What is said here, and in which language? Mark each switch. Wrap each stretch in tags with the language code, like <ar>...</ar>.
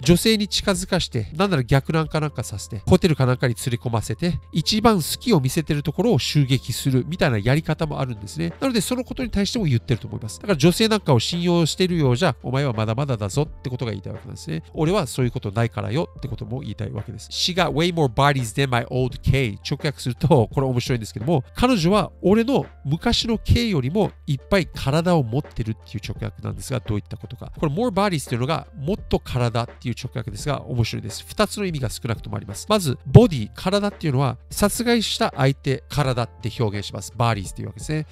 <ja>女性に近づかして、なんなら逆なんかなんかさせて、ホテルかなんかに連れ込ませて、一番好きを見せてるところを襲撃するみたいなやり方もあるんですね。なのでそのことに対しても言ってると思います。だから女性なんかを信用してるようじゃ、お前はまだまだだぞってことが言いたいわけなんですね。俺はそういうことないからよってことも言いたいわけです。</ja> <en>She got way more bodies than my old K.</en> <ja>直訳するとこれ面白いんですけども、彼女は俺の昔の K よりもいっぱい体を持ってるっていう直訳なんですが、どういったことか。これ</ja> <en>more bodies</en> <ja>っていうのがもっと体っていう直訳ですが、面白いです。 2つの意味が少なくともあります。まずボディ、体っていうのは殺害した相手体って表現します。バーリーズっていうわけですね。</ja>